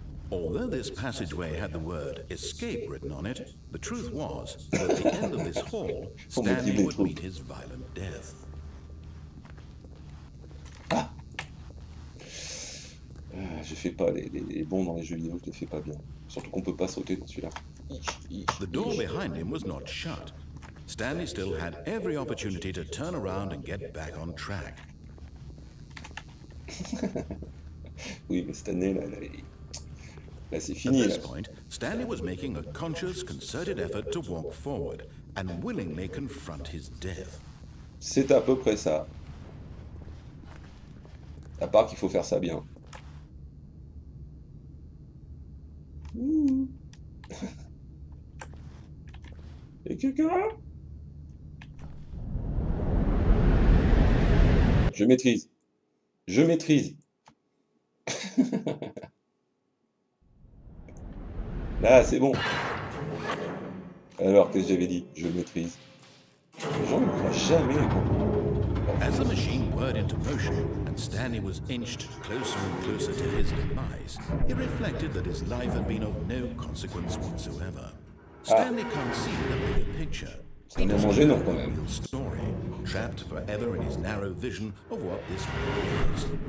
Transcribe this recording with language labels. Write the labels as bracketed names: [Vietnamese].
[English] Although this passageway had the word escape written on it, the truth was that at the end of this hall, Stanley would meet his violent death. [French] Je fais pas les bons dans les jeux vidéo, je les fais pas bien. Surtout qu'on peut pas sauter dans celui-là. [English] The door behind him was not shut. Stanley still had every opportunity to turn around and get back on track. [French] Oui, mais Stanley là c'est fini. [English] At this point, Stanley was making a conscious, concerted effort to walk forward and willingly confront his death. [French] C'est à peu près ça. À part qu'il faut faire ça bien. Et quelqu'un? Je maîtrise. Je maîtrise. Là, c'est bon. Alors, qu'est-ce que j'avais dit? Je maîtrise. Les gens ne croient jamais. [English] As the machine whirred into motion and Stanley was inched closer and closer to his demise, he reflected that his life had been of no consequence whatsoever. Stanley can't see the bigger picture. He doesn't know the real story, trapped forever in his narrow vision of what this world is.